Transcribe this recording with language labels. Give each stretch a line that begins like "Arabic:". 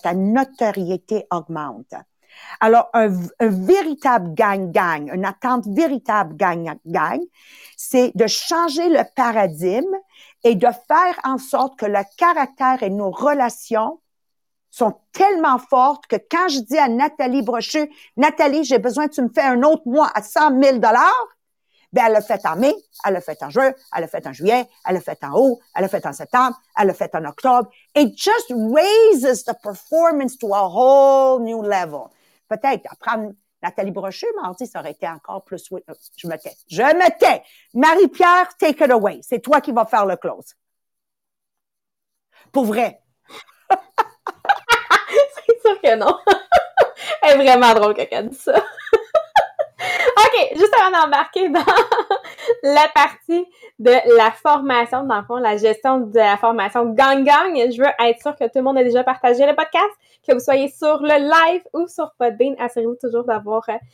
French: Ta notoriété augmente. Alors, un véritable gagne-gagne, une attente véritable gagne-gagne, c'est de changer le paradigme et de faire en sorte que le caractère et nos relations sont tellement fortes que quand je dis à Nathalie Brochu, Nathalie, j'ai besoin que tu me fais un autre mois à 100 000 $ ben elle l'a fait en mai, elle l'a fait en juin, elle l'a fait en juillet, elle l'a fait en août, elle l'a fait en septembre, elle l'a fait en octobre.
English: It just raises the performance to a whole new level.
French: Peut-être, apprendre Nathalie Brochu, mardi, ça aurait été encore plus... Je me tais. Marie-Pierre,
English: take it away.
French: C'est toi qui vas faire le close. Pour vrai. C'est sûr que non. Elle est vraiment drôle quand elle dit ça. OK, juste avant d'embarquer dans la partie de la formation, dans le fond, la gestion de la formation gang-gang, je veux être sûre que tout le monde a déjà partagé le podcast, que vous soyez sur le live ou sur Podbean, assurez-vous toujours d'avoir